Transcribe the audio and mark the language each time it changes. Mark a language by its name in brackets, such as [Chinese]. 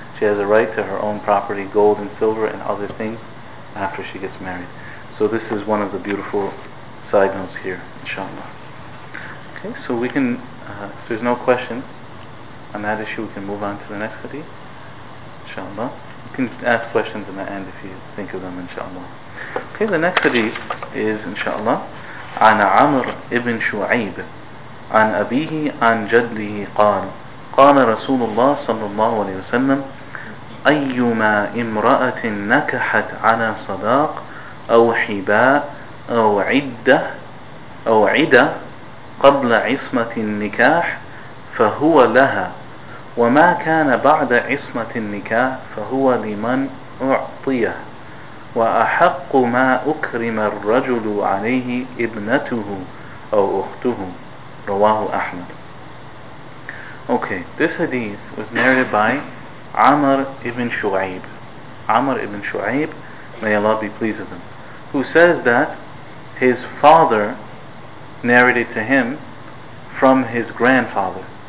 [English] She has a right to her own property, gold and silver and other things, after she gets married. So this is one of the beautiful side notes here, inshallah. Okay, so we can, if there's no question on that issue, we can move on to the next hadith. Inshallah. You can ask questions in the end if you think of them, inshallah. Okay, the next hadith is, inshallah, [Arabic] عن عمر ابن شعيب عن أبيه عن جده قال قال رسول الله صلى الله عليه وسلم أيما امرأة نكحت على صداق أو حباء أو عدة أو عدة قبل عصمة النكاح فهو لها وما كان بعد عصمة النكاح فهو لمن أعطيه وأحق ما أكرم الرجل عليه ابنته أو أخته رواه أحمد. [English] Okay, this hadith was narrated by Amr ibn Shu'aib. Amr ibn Shu'aib, may Allah be pleased with him, who says that his father narrated to him from his grandfather.